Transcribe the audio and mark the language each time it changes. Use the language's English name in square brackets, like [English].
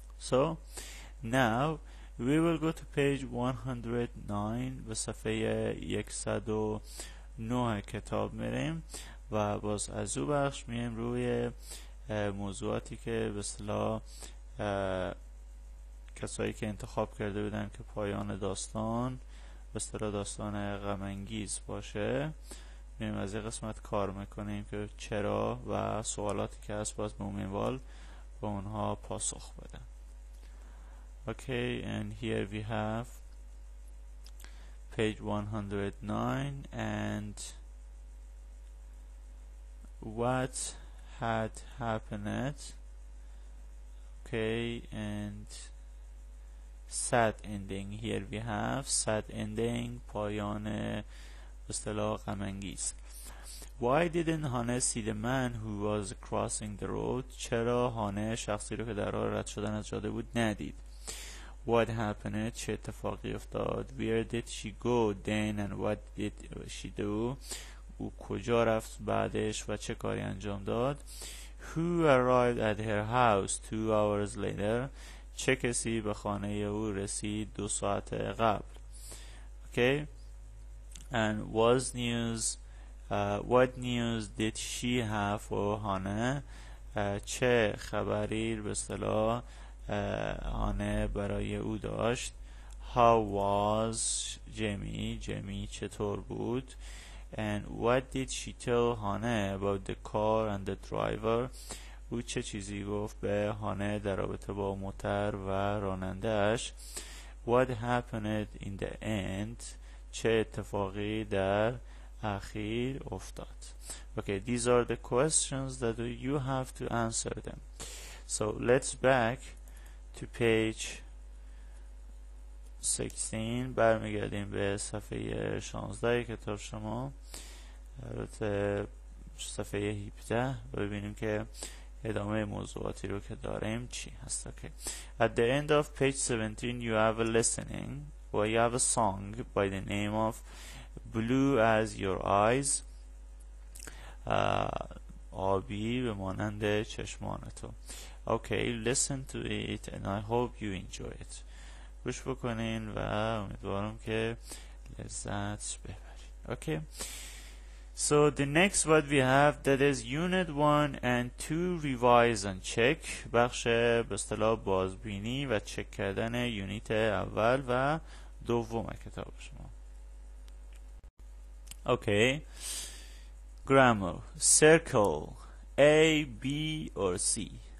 [English] So now we will go to page 109 [Persian] به صفحه 109 کتاب میریم و باز از او بخش میریم روی موضوعاتی که به اصطلاح کسایی که انتخاب کرده بودن که پایان داستان به اصطلاح داستان غم انگیز باشه. میریم از این قسمت کار میکنیم که چرا و سوالاتی که هست باز مومنوال به اونها پاسخ بدن. [English] Okay, and here we have page 109 and what had happened. Okay, and sad ending. Here we have sad ending, [Persian] پایان اصطلاح غم انگیز. [English] Why didn't Hane see the man who was crossing the road? [Persian] چرا هانه شخصی رو که در راه رد شدن از جاده بود ندید؟ [English] What happened? [Persian] چه اتفاقی افتاد؟ [English] Where did she go then and what did she do? [Persian] او کجا رفت بعدش و چه کاری انجام داد؟ [English] Who arrived at her house 2 hours later? [Persian] چه کسی به خانه او رسید 2 ساعت قبل؟ Okay. [English] And was news what news did she have for Hana? [Persian] چه خبری به اصطلاح هانه برای او داشت؟ [English] How was Jamie [Persian] چطور بود؟ [English] And what did she tell Hane about the car and the driver? [Persian] او چه چیزی گفت به هانه در رابطه با موتر و رانندهش؟ [English] What happened in the end? [Persian] چه اتفاقی در اخیر افتاد؟ [English] Okay, these are the questions that you have to answer them. So let's back to page 16. [Persian] برمیگردیم به صفحه 16 کتاب شما، البته صفحه 17، ببینیم که ادامه موضوعاتی رو که داریم چی هست. [English] Okay. At the end of page 17 you have a listening or you have a song by the name of Blue as Your Eyes. [Persian] آبی به مانند چشمان تو. [English] Okay, listen to it and I hope you enjoy it. [Persian] گوش بکنین و امیدوارم که لذت ببرین. [English] Okay. So the next what we have that is unit 1 and 2 revise and check. [Persian] بخش به اصطلاح بازبینی و چک کردن یونیت اول و دوم کتاب شما. [English] Okay. Grammar. Circle. A, B or C.